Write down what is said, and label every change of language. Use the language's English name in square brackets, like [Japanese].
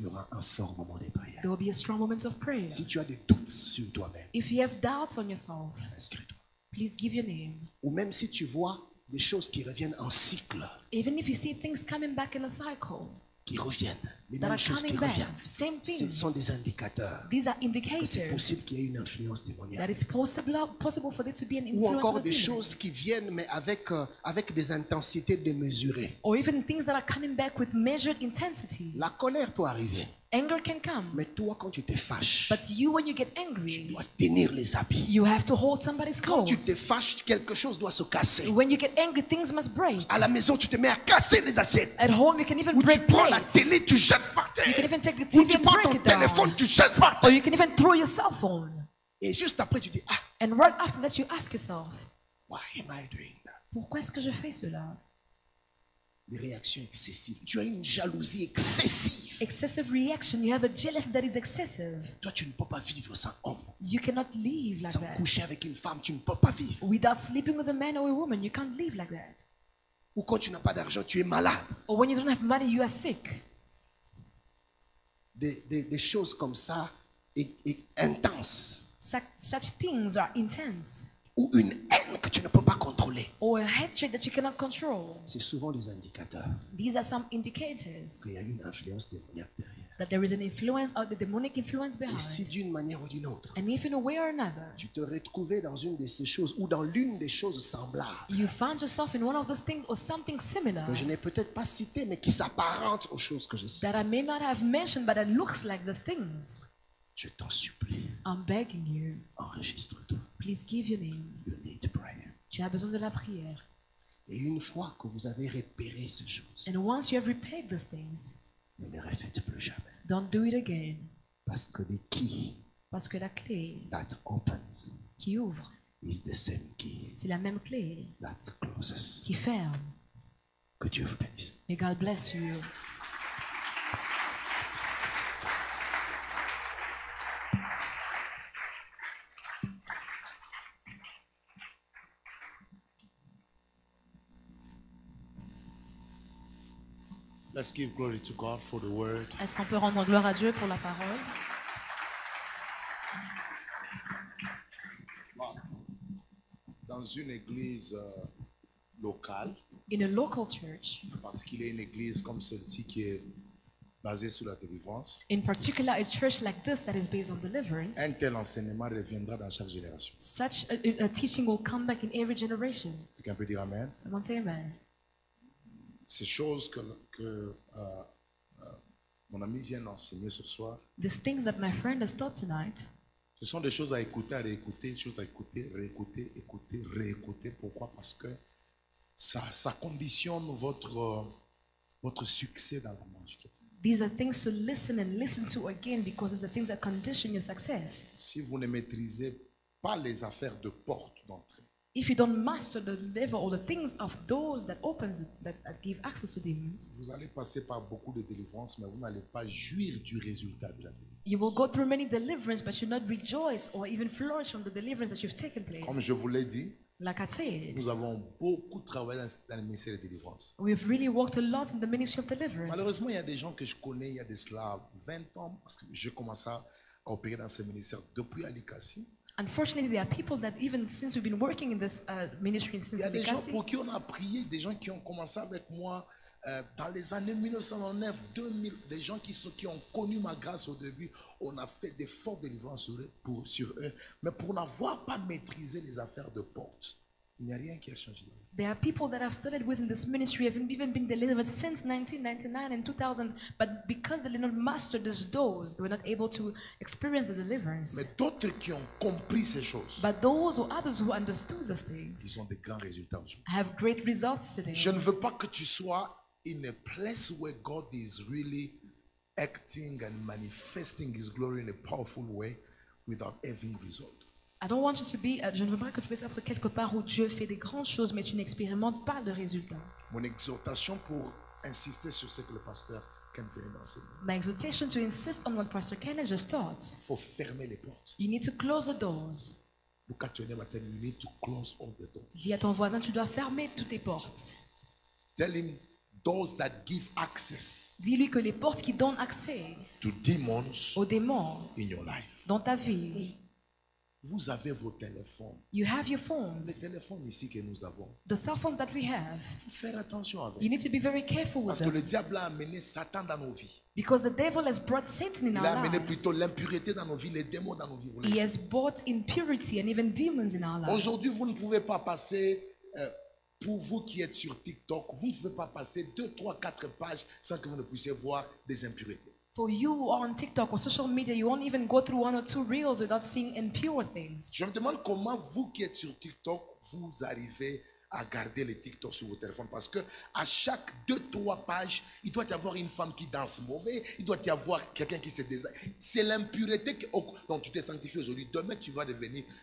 [French] Il y aura un fort moment de prière. [English] There will be a strong moment of prayer. [French] Si tu as des doutes sur toi-même. [English] If you have doubts on yourself. [French] Inscris-toi. [English] please give your name. [French] Ou même si tu vois des choses qui reviennent en cycle. [English] Even if you see things coming back in a cycle. [French] Qui reviennent, les mêmes choses qui reviennent. Ce sont des indicateurs. [English] These are indicators. [French] Que c'est possible qu'il y ait une influence démoniaque. [English] That it's possible for there to be an influence. [French] Ou encore des choses qui viennent, mais avec des intensités démesurées. [English] Or even things that are coming back with measured intensity. [French] La colère peut arriver. [English] Anger can come. [French] Mais toi, quand tu te fâches, [English] but you, when you get angry, [French] tu dois tenir les habits. [English] You have to hold somebody's clothes. [French] Quand tu te fâches, quelque chose doit se casser. [English] When you get angry, things must break. [French] À la maison, tu te mets à casser les assiettes. [English] At home, you can even [French] ou [English] break [French] tu prends [English] plates. [French] La télé, tu jettes par terre. [English] You can even take the TV [French] ou tu prends ton téléphone, tu jettes par terre. [English] Or you can even throw your cell phone. [French] Et juste après, tu dis, ah. [English] And right after that, you ask yourself, why am I doing that? [French] Pourquoi est-ce que je fais cela? Des réactions excessives. Tu as une jalousie excessive. [English] Excessive reaction. You have a jealousy that is excessive. [French] Toi, tu ne peux pas vivre sans homme. [English] You cannot live like [French] sans [English] that. [French] Sans coucher avec une femme, tu ne peux pas vivre. [English] Without sleeping with a man or a woman, you can't live like that. [French] Ou quand tu n'as pas d'argent, tu es malade. [English] Or when you don't have money, you are sick. [French] Des choses comme ça est intense. [English] Such things are intense. [French] Ou une haine que tu ne peux pas contrôler. [English] Or a hatred that you cannot control. [French] C'est souvent des indicateurs. [English] These are some indicators. [French] Qu'il y a une influence démoniaque derrière. [English] That there is an influence or the demonic influence behind. [French] Et si d'une manière ou d'une autre. [English] And if in a way or another. [French] Tu te retrouvais dans une de ces choses ou dans l'une des choses semblables. [English] You found yourself in one of those things or something similar. [French] Que je n'ai peut-être pas cité mais qui s'apparente aux choses que je cite. [English] That I may not have mentioned but it looks like those things. [French] Je t'en supplie. [English] I'm begging you. [French] Enregistre-toi. [English] Please give your name. You need prayer. [French] Tu as besoin de la prière. Et une fois que vous avez repéré ces choses. [English] And once you have repaired those things. [French] Ne les refaites plus jamais. [English] Don't do it again. [French] Parce que [English] the key. [French] Parce que la clé. [English] That opens. [French] Qui ouvre. [English] Is the same key. [French] C'est la même clé. [English] That closes. [French] Qui ferme. Que Dieu vous bénisse. [English] May God bless you. Let's give glory to God for the word. [French] Est-ce qu'on peut rendre gloire à Dieu pour la parole? Dans une église locale. [English] In a local church. [French] En particulier une église comme celle-ci qui est basée sur la délivrance. [English] In particular, a church like this that is based on deliverance. [French] Un tel enseignement reviendra dans chaque génération. [English] Such a teaching will come back in every generation. [French] Quelqu'un peut dire amen? [English] Someone say amen. [French] Ces choses que mon ami vient d'enseigner ce soir. [English] These things that my friend has taught tonight. [French] Ce sont des choses à écouter, à réécouter, des choses à écouter, réécouter, écouter, réécouter. Pourquoi? Parce que ça conditionne votre succès dans la marche chrétienne. [English] These are things to listen and listen to again because these are things that condition your success. [French] Si vous ne maîtrisez pas les affaires de porte d'entrée. [English] If you don't master the lever or the things of those that opens that give access to demons, [French] vous allez passer par beaucoup de délivrances, mais vous n'allez pas jouir du résultat de la délivrance. [English] You will go through many deliverances, but you will not rejoice or even flourish from the deliverance that you've taken place. [French] Comme je vous l'ai dit, [English] like I said, [French] nous avons beaucoup travaillé dans le ministère de délivrance. [English] We've really worked a lot in the ministry of deliverance. [French] Malheureusement, il y a des gens que je connais, il y a des Slaves, 20 ans, parce que j'ai commencé à opérer dans ce ministère depuis Alikasi. [English] Unfortunately, there are people that even since we've been working in this ministry since Abikasi. [French] Il y a des gens pour qui on a prié, des gens qui ont commencé avec moi dans les années 1999, 2000, des gens qui ont connu ma grâce au début. On a fait des fortes délivrances sur eux, mais pour n'avoir pas maîtrisé les affaires de porte, il n'y a rien qui a changé. [English] There are people that have studied within this ministry, have even been delivered since 1999 and 2000, but because they did not master these doors, they were not able to experience the deliverance. [French] Mais d'autres qui ont compris ces choses, [English] but those or others who understood these things, [French] ils ont des grands résultats aujourd'hui. [English] Have great results today. [French] Je ne veux pas que tu sois [English] in a place where God is really acting and manifesting His glory in a powerful way without having results. I don't want you to be. [French] Je ne veux pas que tu puisses être quelque part où Dieu fait des grandes choses, mais tu n'expérimentes pas le résultat. Mon exhortation pour insister sur ce que le pasteur Ken vient d'enseigner. [English] My exhortation to insist on what Pastor Ken has just taught. [French] Il faut fermer les portes. [English] You need to close the doors. Look at your neighbor, tell him you need to close all the doors. [French] Dis à ton voisin, tu dois fermer toutes tes portes. [English] Tell him doors that give access. [French] Dis-lui que les portes qui donnent accès. [English] To demons. [French] Aux démons. [English] In your life. [French] Dans ta vie. Vous avez vos téléphones. [English] You have your phones. [French] Les téléphones ici que nous avons. [English] The cell phones that we have. [French] Faut faire attention avec. [English] You need to be very careful with them. [French] Parce que le diable a amené Satan dans nos vies. [English] Because the devil has brought Satan in our lives. [French] Il a amené plutôt l'impureté dans nos vies, les démons dans nos vies. [English] He has brought impurity and even demons in our lives. [French] Aujourd'hui, vous ne pouvez pas passer pour vous qui êtes sur TikTok, vous ne pouvez pas passer 2, 3, 4 pages sans que vous ne puissiez voir des impuretés. [English] For you on TikTok or social media, you won't even go through one or two reels without seeing impure things. [French] Je me demande comment vous qui êtes sur TikTok, vous arrivez à garder les TikTok sur vos téléphones. Parce que à chaque 2-3 pages, il doit y avoir une femme qui danse mauvais, il doit y avoir quelqu'un qui se désire. C'est l'impureté que, oh, donc tu t'es sanctifié aujourd'hui, demain tu vas devenir...